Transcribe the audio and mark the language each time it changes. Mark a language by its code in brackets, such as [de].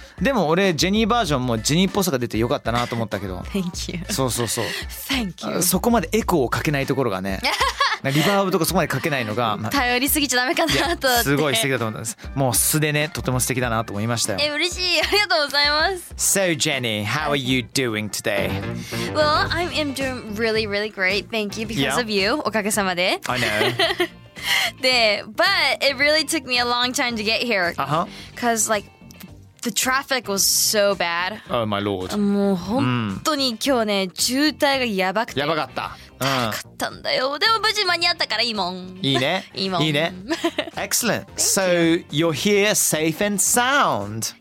[ja] うん、でも俺ジェニーバージョンもジェニーっぽさが出てよかったなと思ったけど。 [en] Thank you。 [ja] そうそうそう、 [en] Thank you。 [ja] そこまでエコーをかけないところがねリバーブとかそこまでかけないのが、まあ、頼りすぎちゃダメかなと思って、すごい素敵だと思ったんです。もう素でね、とても素敵だなと思いましたよ。え、嬉しい、ありがとうございます。 [en] So Jenny, how are you doing today? Well, I am doing really, really great. Thank you because、 yeah. of you. [ja] おかげさまで。 [en] I know. で、But it really took me a long time to get here. Uh-huh. Cause like,The traffic was so bad. Oh my lord. [ja] もう本当に今日ね、渋滞がやばくて。やばかった。やばかったんだよ。でも無事間に合ったからいいもん。いいね。いいもん。いいね。 [en] Excellent. So you're here safe and sound.